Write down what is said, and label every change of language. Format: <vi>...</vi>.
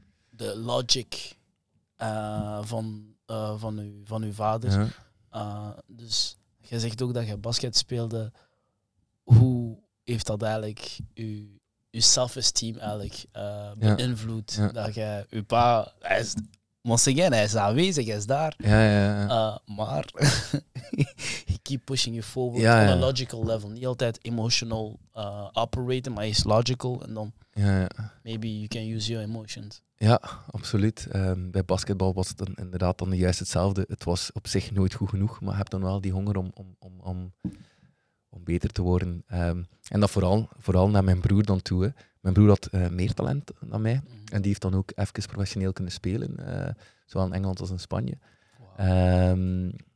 <nl>De logic van uw vader. Ja. Dus je zegt ook dat je basket speelde. Hoe heeft dat eigenlijk uw self-esteem eigenlijk beïnvloed? Ja. Dat je uw pa...</nl> <en>Once again,</en> <nl>hij is aanwezig, hij is daar. Ja, ja, ja. Maar</nl> <en>he keep pushing you forward on a logical level.</en> <nl>Niet altijd</nl> <en>emotional operating,</en> <nl>maar is logical. En dan</nl> <en>maybe you can use your emotions.</en> <nl>Ja, absoluut. Bij basketbal was het dan inderdaad dan juist hetzelfde. Het was op zich nooit goed genoeg, maar je hebt dan wel die honger om beter te worden. En dat vooral naar mijn broer dan toe. Hè. Mijn broer had meer talent dan mij. Mm-hmm. En die heeft dan ook even professioneel kunnen spelen. Zowel in Engeland als in Spanje. Wow.</nl>